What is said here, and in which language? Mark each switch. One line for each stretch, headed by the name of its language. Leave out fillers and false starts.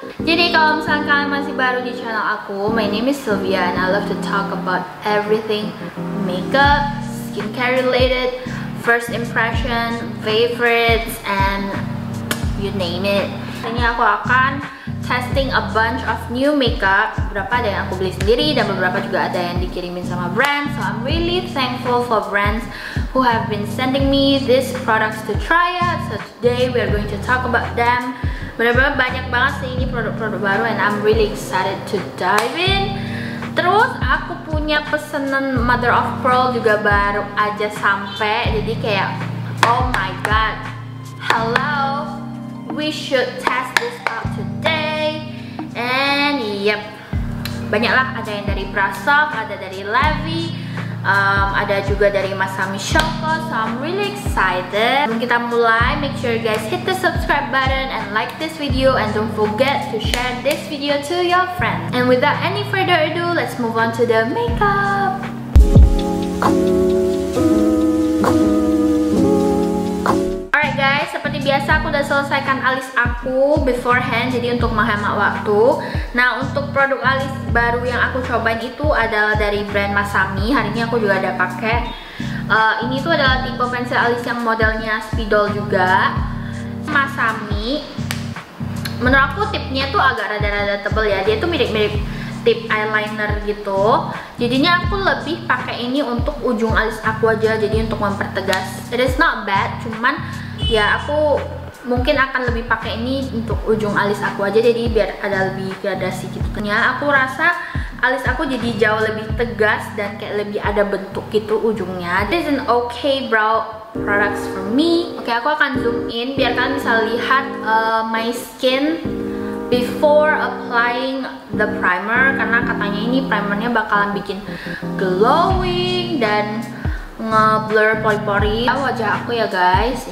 Indonesian: Jadi kalau misalnya kalian masih baru di channel aku,
English: my name is Sylvia and I love to talk about everything makeup, skincare related, first impression, favorites, and you name it.
Indonesian: Ini aku akan
English: testing a bunch of new makeup.
Indonesian: Beberapa ada yang aku beli sendiri dan beberapa juga ada yang dikirimin sama brands.
English: So I'm really thankful for brands who have been sending me these products to try out. So today we are going to talk about them.
Indonesian: Benar-benar banyak banget sih ini produk-produk baru
English: and I'm really excited to dive in.
Indonesian: Terus aku punya pesanan Mother of Pearl juga baru aja sampai. Jadi kayak oh my god. Hello.
English: We should test this out today. And yep.
Indonesian: Banyaklah ada yang dari Prasok, ada dari Levi. Ada juga dari Masami Shoko,
English: so I'm really excited.
Indonesian: Sebelum kita mulai,
English: make sure you guys hit the subscribe button and like this video and don't forget to share this video to your friends. And without any further ado, let's move on to the makeup.
Indonesian: Alright guys, seperti biasa aku udah selesaikan alis aku beforehand, jadi untuk menghemat waktu. Nah, untuk produk alis baru yang aku cobain itu adalah dari brand Masami. Hari ini aku juga ada pakai. Ini tuh adalah tipe pensil alis yang modelnya spidol juga. Masami. Menurut aku tipnya tuh agak rada-rada tebel ya. Dia tuh mirip-mirip tip eyeliner gitu. Jadinya aku lebih pakai ini untuk ujung alis aku aja, jadi untuk mempertegas.
English: It is not bad,
Indonesian: cuman ya aku mungkin akan lebih pakai ini untuk ujung alis aku aja, jadi biar ada lebih gradasi gitu. Ya, aku rasa alis aku jadi jauh lebih tegas dan kayak lebih ada bentuk gitu ujungnya.
English: This is an okay brow products for me.
Indonesian: Okay, aku akan zoom in biar kalian bisa lihat
English: my skin before applying the primer,
Indonesian: karena katanya ini primernya bakalan bikin glowing dan nge-blur pori-pori wajah aku ya guys.